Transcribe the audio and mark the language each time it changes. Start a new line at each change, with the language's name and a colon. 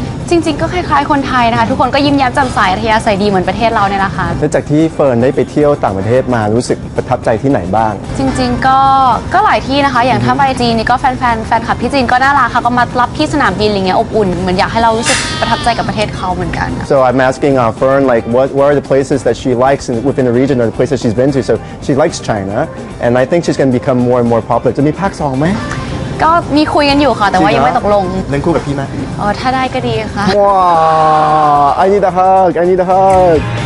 Thai: จริงๆก็คล้ายๆคนไทยนะคะทุกคนก็ยิ้มแย้มแจ่มใสอัธยาศัยดีเหมือนประเทศเราเนี่ยนะคะ แล้วจากที่เฟิร์นได้ไปเที่ยวต่างประเทศมารู้สึกประทับใจที่ไหนบ้าง จริงๆก็หลายที่นะคะอย่างถ้าไปจีนนี่ก็แฟนคลับที่จีนก็น่ารักค่ะก็มารับที่สนามบินอะไรเงี้ยอบอุ่นเหมือนอยากให้เรารู้สึกประทับใจกับประเทศเขาเหมือนกัน
English: So I'm asking Fern like what are the places that she likes within the region or the places she's been to so she likes China and I think she's gonna become more and more popular
Thai: จะมีภาคสองไหม ก็มีคุยกันอยู่ค่ะแต่ว่ายังไม่ตกลง เล่นคู่กับพี่ไหม อ๋อถ้าได้ก็ดีค่ะ
English: ว้าว I need a hug I need a hug